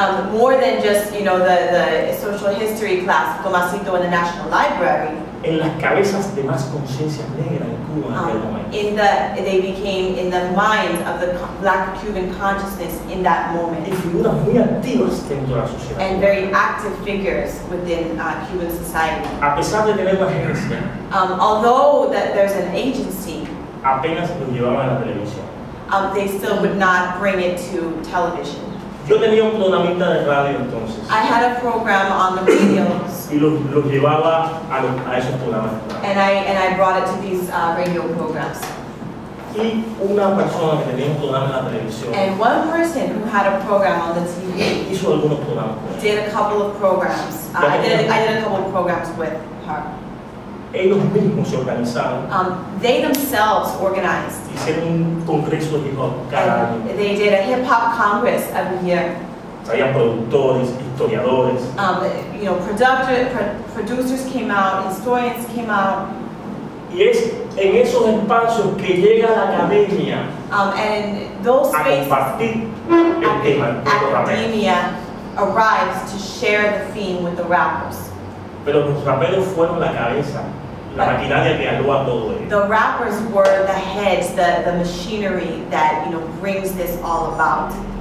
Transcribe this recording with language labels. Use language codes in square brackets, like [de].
[en] More than just, you know, the social history class, Tomasito in the National Library. [es] En las cabezas de más conciencia negra en Cuba en aquel momento. [en] They became in the minds of the black Cuban consciousness in that moment. [es] Y figuras muy activas dentro de la sociedad. [en] And very active figures within Cuban society. [es] A pesar de tener una agencia. [en] Although that there's an agency. [es] Apenas lo llevaban a la televisión. [en] They still would not bring it to television. [es] Yo tenía un programita de radio entonces. [en] I had a program on the radios. [es] Y lo llevaba a esos programas. [en] And I brought it to these radio programs. [es] Y una persona que tenía un programa en la televisión. [en] And one person who had a program on the TV. [es] Hizo algunos programas. [en] Did a couple of programs. I did a couple of programs with her. [es] Ellos mismos se organizaron. [en] They themselves organized. [es] Hicieron un congreso de hip hop cada año. [en] They did a hip hop congress every year. [es] Traían productores, historiadores. [en] Producers came out, historians came out. [es] Y es en esos espacios que llega la academia. [en] And those spaces. [es] A compartir el tema. [en] Academia arrives to share the theme with the rappers. [es] Pero los raperos fueron la cabeza. [en] The rappers were the heads, the machinery that, you know, brings this all about.